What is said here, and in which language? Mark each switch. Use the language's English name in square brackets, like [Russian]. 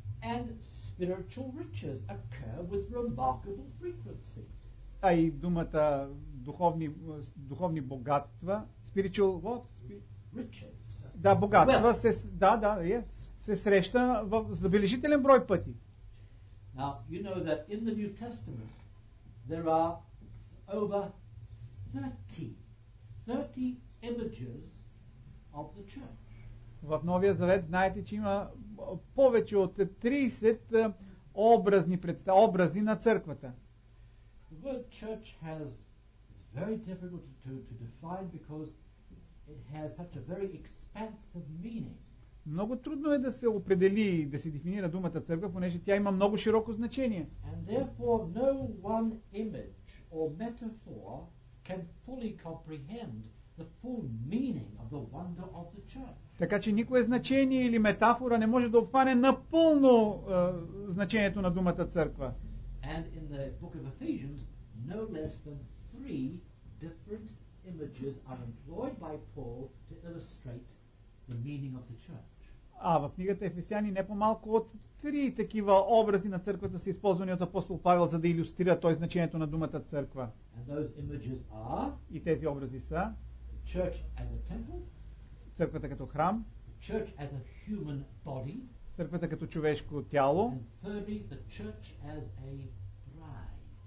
[English] and spiritual riches occur with remarkable frequency. [Bulgarian] А и думата духовни богатства, [English] spiritual what? Riches. [Bulgarian] Да, богатства се, се среща в забележителен брой пъти. [English] Now, you know that in the New Testament there are over 30 images of the church. [Bulgarian] В Новия Завет знаете, че има повече от 30 образи на църквата. [English] The word church has very difficult to define because it has such a very expansive meaning. [Bulgarian] Много трудно е да се определи и да се дефинира думата църква, понеже тя има много широко значение. [English] And therefore no one image or metaphor can fully comprehend the full meaning of the wonder of the church. [Bulgarian] Така че никое значение или метафора не може да обхване напълно значението на думата църква. [English] And in the book of Ephesians no less than 3 different images are employed by Paul to illustrate the meaning of the church. [Bulgarian] А в книгата Ефесяни не по-малко от 3 такива образи на църквата са използвани от апостол Павел, за да илюстрира той значението на думата църква. [English] And those images are, [Bulgarian] и тези образи са [English] church as a temple, [Bulgarian] църквата като храм, [English] church as a human body, [Bulgarian] църквата като човешко тяло, [English] and thirdly, the church as a bride.